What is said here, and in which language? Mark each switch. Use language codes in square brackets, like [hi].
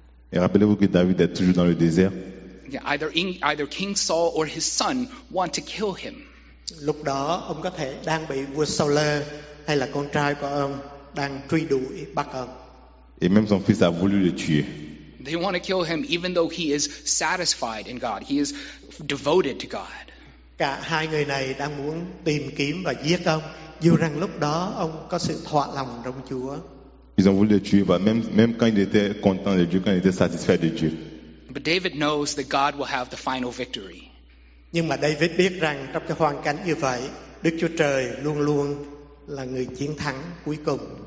[fr] Et rappelez-vous que David est toujours dans le désert. [en] Yeah, either King Saul or his son want to kill him. [vi] Lúc đó ông có thể đang bị vua Saul hay là con trai của ông đang truy đuổi bắt ông. [fr] Et même son fils a voulu le tuer. [en] They want to kill him even though he is satisfied in God. He is devoted to God. [vi] Cả hai người này đang muốn tìm kiếm và giết ông, dù rằng lúc đó ông có sự thỏa lòng trong Chúa. [fr] Ils ont voulu le tuer, mais même quand il était content de Dieu, quand il était satisfait de Dieu. [en] But David knows that God will have the final victory. [vi] Nhưng mà David biết rằng trong cái hoàn cảnh như vậy, Đức Chúa Trời luôn luôn là người chiến thắng cuối cùng.